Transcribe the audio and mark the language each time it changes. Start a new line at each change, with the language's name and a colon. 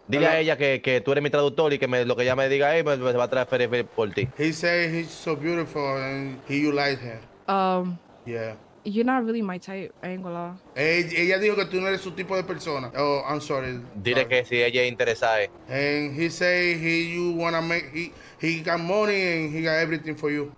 Spanish: Dile a ella que tú eres mi traductor y que lo que ella me diga ahí se va a traer por ti.
English: He says he's so beautiful and he you like him. Yeah. You're not really my type, Angola.
Spanish: Ella dijo que tú no eres su tipo de persona.
English: Oh, I'm sorry.
Spanish: Dile que si ella es interesada.
English: And he says he got money and he got everything for you.